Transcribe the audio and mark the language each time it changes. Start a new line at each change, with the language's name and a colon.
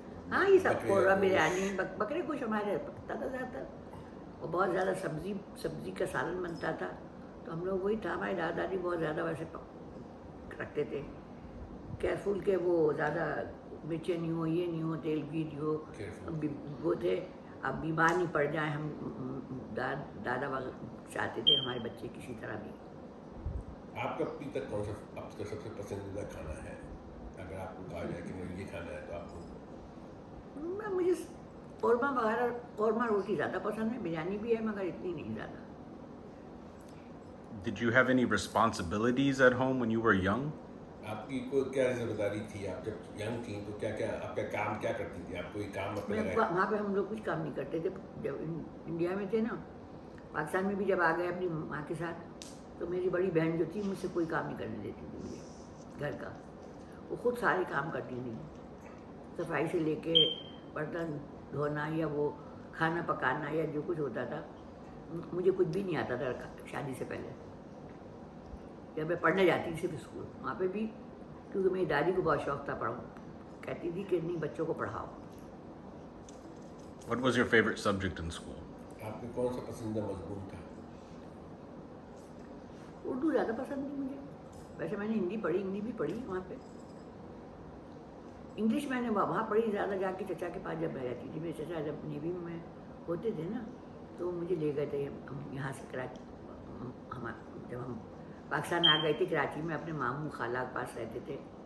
Hindi: हाँ ये सब कोरमा बिरयानी बकरे कुछ हमारे पकता था ज़्यादातर और बहुत ज़्यादा सब्जी का सालन बनता था तो हम लोग वही था हमारी दादा जी बहुत ज़्यादा वैसे रखते थे केयरफुल के वो ज़्यादा मिर्चे नहीं हो ये नहीं हो तेल की जो वो थे अब बीमार नहीं पड़ जाए हम दादा वगैरह चाहते थे हमारे बच्चे किसी तरह भी आपका अभी तक कौन सा आपका सबसे पसंदीदा खाना है अगर आपको कहा जाए कि मुझे ये खाना है तो आपको मैं मुझे कौरमा वगैरह कौरमा रोटी ज़्यादा पसंद है बिरयानी भी है मगर इतनी नहीं ज़्यादा
English: Did you have any responsibilities at home when you were young?
Hindi: आपकी कोई क्या जिम्मेदारी थी आप जब यंग थी तो क्या क्या आपका काम क्या करती थी आप कोई काम वहाँ पे हम लोग कुछ काम नहीं करते थे जब इंडिया में थे ना पाकिस्तान में भी जब आ गए अपनी माँ के साथ तो मेरी बड़ी बहन जो थी मुझसे कोई काम नहीं करने देती थी मुझे घर का वो खुद सारे काम करती थी सफाई से लेके बर्तन धोना या वो खाना पकाना या जो कुछ होता था मुझे कुछ भी नहीं आता था शादी से पहले जब मैं पढ़ने जाती थी सिर्फ स्कूल वहाँ पे भी क्योंकि मेरी दादी को बहुत शौक था पढ़ाऊँ कहती थी कि नहीं बच्चों को पढ़ाओ
English: What was your favorite subject in school?
Hindi: आपके कौन सा पसंदीदा मज़मून था उर्दू ज़्यादा पसंद थी मुझे वैसे मैंने हिंदी भी पढ़ी वहाँ पे इंग्लिश मैंने वहाँ पढ़ी ज़्यादा जाके चचा के पास जब मैं रहती थी मेरे चचा जब नेवी में होते थे ना तो मुझे ले गए थे हम यहाँ से कराची जब हम पाकिस्तान आ गए थे कराची में अपने मामू खाला के पास रहते थे